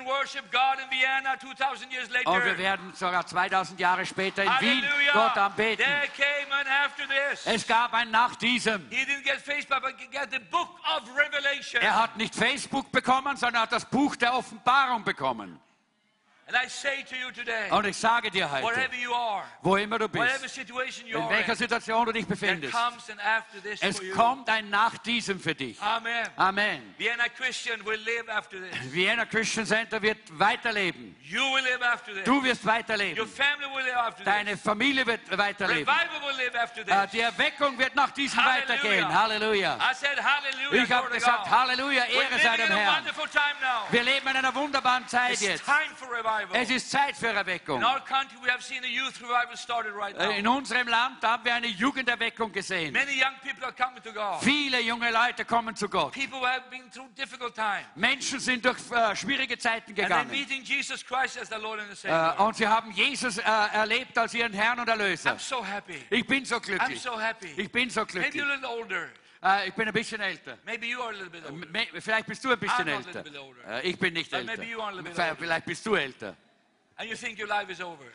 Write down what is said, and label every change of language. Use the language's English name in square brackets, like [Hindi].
[German] Und wir werden sogar 2000 Jahre später in Wien Gott anbeten. [English] There came an after this. [German] Es gab ein nach diesem. [English] He didn't get Facebook, but he got the Book of Revelation. [German] Er hat nicht Facebook bekommen, sondern hat das Buch der Offenbarung. Bekommen. [English] And I say to you today, [German] und ich sage dir heute, [English] wherever you are, [German] wo immer du bist, [English] whatever situation you [German] in welcher Situation du dich befindest, [English] there comes an after this [German] es [English] for you. [German] Kommt ein nach diesem für dich. Amen. Amen. [English] Vienna Christian will live after this. [German] Vienna Christian Center wird weiterleben. [English] You will live after this. [German] Du wirst weiterleben. [English] Your family will live after this. [German] Deine Familie wird weiterleben. [English] Revival will live after this. [German] Die Erweckung wird nach diesem Halleluja. Weitergehen. Halleluja. [English] I said, Halleluja, [German] ich habe gesagt, Halleluja, Ehre sei dem Herrn. [English] Wonderful time now. [German] Wir leben in einer wunderbaren Zeit [English] it's [German] jetzt. [English] Time for revival. [German] Es ist Zeit für Erweckung. [English] In our country we have seen a youth revival started right now. [German] In unserem Land da haben wir eine Jugenderweckung gesehen. [English] Many young people are coming to God. [German] Viele junge Leute kommen zu Gott. [English] People who have been through difficult times. [German] Menschen sind durch schwierige Zeiten gegangen. [English] And they're meeting Jesus Christ as their Lord and Savior. [German] Und sie haben Jesus erlebt als ihren Herrn und Erlöser. [English] I'm so happy. [German] Ich bin so glücklich. [English] I'm so happy. [German] Ich bin so glücklich. [English] Maybe you're a little older. [German] Ich bin ein bisschen älter. [English] Maybe you are a little bit older. [German] Vielleicht bist du ein bisschen älter. Ich bin nicht [English] but [German] älter. [English] Maybe you are a little bit older. [German] Vielleicht bist du älter. [English] And you think your life is over.